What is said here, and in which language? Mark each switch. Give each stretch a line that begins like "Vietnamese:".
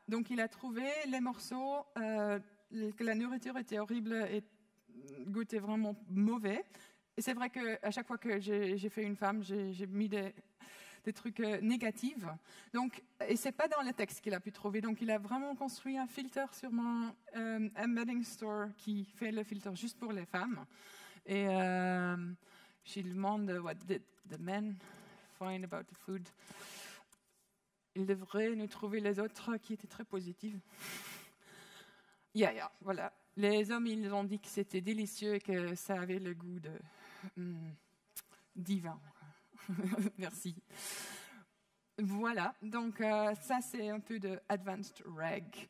French: Donc, il a trouvé les morceaux, que la nourriture était horrible et goûtait vraiment mauvais. Et c'est vrai qu'à chaque fois que j'ai fait une femme, j'ai mis des trucs négatifs. Donc, et ce n'est pas dans le texte qu'il a pu trouver. Donc, il a vraiment construit un filter sur mon embedding store qui fait le filter juste pour les femmes. Et... Je demande
English: what did the men find about the food.
French: Il devrait nous trouver les autres qui étaient très positives. Yeah, voilà. Les hommes, ils ont dit que c'était délicieux et que ça avait le goût de divin. Merci. Voilà, donc ça c'est un peu de advanced reg.